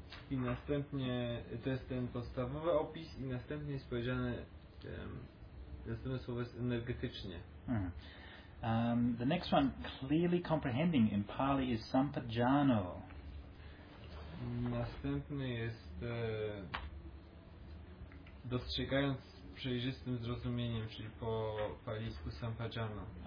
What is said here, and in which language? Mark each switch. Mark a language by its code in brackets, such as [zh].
[pl] I następnie, to jest ten podstawowy opis, i następnie jest powiedziane, następne słowo jest energetycznie. [en] The next one, clearly comprehending, in Pali is sampajano. [pl] Następny jest dostrzegając z przejrzystym zrozumieniem, czyli po palisku sampajano.